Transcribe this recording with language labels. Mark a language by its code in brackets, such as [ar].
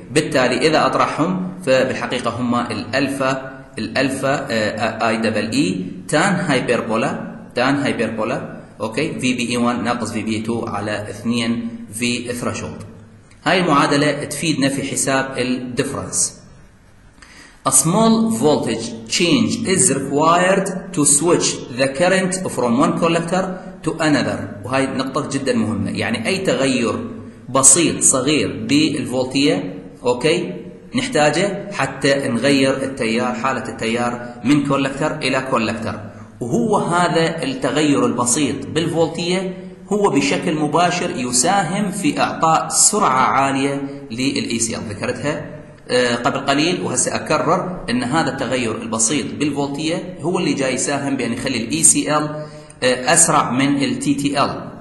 [ar] بالتالي اذا اطرحهم فبالحقيقه هما الالفا اي دبل اي تان هايبربولا، تان هايبربولا، اوكي، في بي اي 1 ناقص في بي 2 على 2 في ثريشولد. هاي المعادله تفيدنا في حساب الديفرنس. [en] A small voltage change is required to switch the current from one collector to another. [ar] وهي نقطة جدا مهمة، يعني أي تغير بسيط صغير بالفولتية، أوكي، نحتاجه حتى نغير التيار، حالة التيار من كولكتر إلى كولكتر. وهو هذا التغير البسيط بالفولتية هو بشكل مباشر يساهم في إعطاء سرعة عالية للإي سي ال، ذكرتها قبل قليل وهسه اكرر ان هذا التغير البسيط بالفولتيه هو اللي جاي يساهم بان يخلي الاي سي ال اسرع من التي تي ال.